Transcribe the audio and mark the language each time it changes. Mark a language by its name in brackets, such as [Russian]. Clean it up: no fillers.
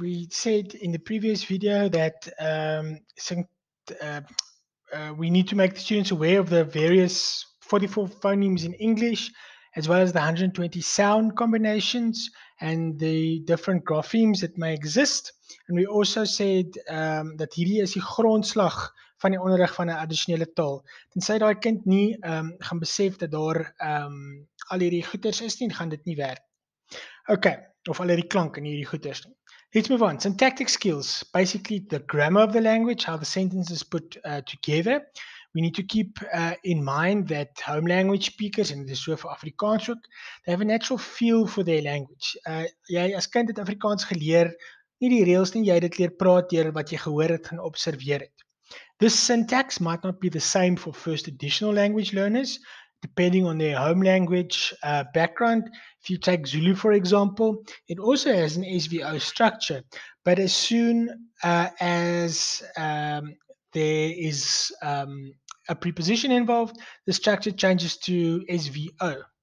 [English] We said in the previous video that we need to make the students aware of the various 44 phonemes in English, as well as the 120 sound combinations and the different graphemes that may exist. And we also said [Afrikaans] dat hierdie is die grondslag van die onderrig van 'n addisionele taal. Tensy daai kind nie gaan besef dat daar al hierdie goeders is nie, gaan dit nie werk. Okay. Of al die klank in hierdie goeders. [English] Let's move on. Syntactic skills. Basically, the grammar of the language, how the sentence is put together. We need to keep in mind that home language speakers, and this is so for Afrikaans ook, they have a natural feel for their language. [Afrikaans] Jy as kind het Afrikaans geleer, nie die reels nie, jy het dit leer praat deur wat jy gehoor het en observeer het. [English] This syntax might not be the same for first additional language learners, depending on their home language background. If you take Zulu, for example, it also has an SVO structure. But as soon as there is a preposition involved, the structure changes to SVO.